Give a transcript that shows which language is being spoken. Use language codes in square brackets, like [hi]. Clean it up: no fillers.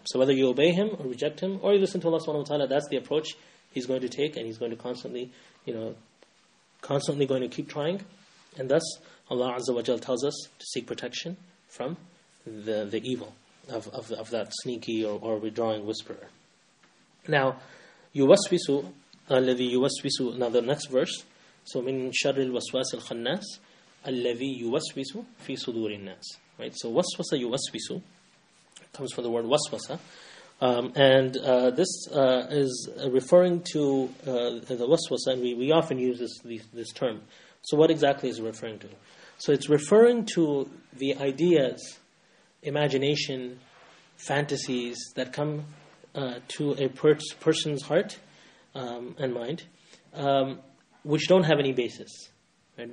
[en] So whether you obey him or reject him, or you listen to Allah subhanahu wa ta'ala, that's the approach he's going to take, and he's going to constantly, you know, constantly going to keep trying. And thus, Allah azza wa jal tells us to seek protection from the evil of that sneaky or withdrawing whisperer. [ar] Now, yuwaswisu, الَّذِي يُوَسْوِسُ. [en] Now the next verse, so [ar] مِن شَرِّ الْوَسْوَاسِ الْخَنَّاسِ الَّذِي يُوَسْوِسُ فِي صُدُورِ النَّاسِ. [en] Right, so waswasa yuwaswisu comes from the word waswasa, and this is referring to the waswasa, and we often use this term. So what exactly is it referring to? So it's referring to the ideas, imagination, fantasies that come to a person's heart and mind, which don't have any basis, right?